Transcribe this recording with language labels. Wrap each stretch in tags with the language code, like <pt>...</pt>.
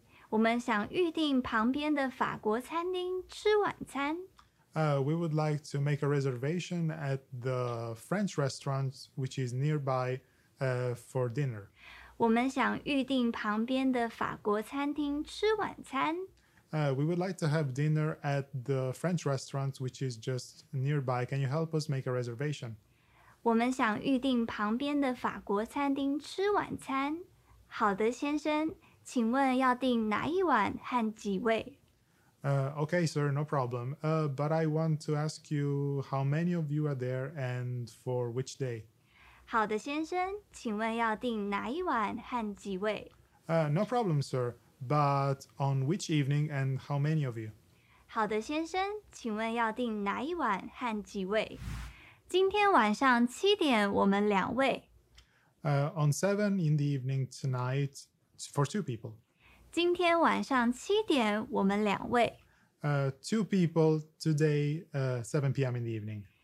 <zh>我们想预定旁边的法国餐厅吃晚餐。</zh> <en>We would like to make a reservation at the French restaurant, which is nearby, for dinner.</en> <zh>我们想预定旁边的法国餐厅吃晚餐。</zh> <en>We would like to have dinner at the French restaurant, which is just nearby. Can you help us make a reservation?</en> <zh>我们想预定旁边的法国餐厅吃晚餐。好的，先生，请问要订哪一晚和几位？</zh> <en>Okay, sir, no problem. But I want to ask you how many of you are there and for which day?</en> <zh>好的，先生，请问要订哪一晚和几位？</zh> <en>No problem, sir. But on which evening and how many of you?</en> <zh>好的，先生，请问要订哪一晚和几位？今天晚上七点，我们两位。</zh> <en>On 7 in the evening tonight, for 2 people.</en> <zh>今天晚上七点，我们两位。</zh> <en>2 people today, 7 p.m. in the evening.</en>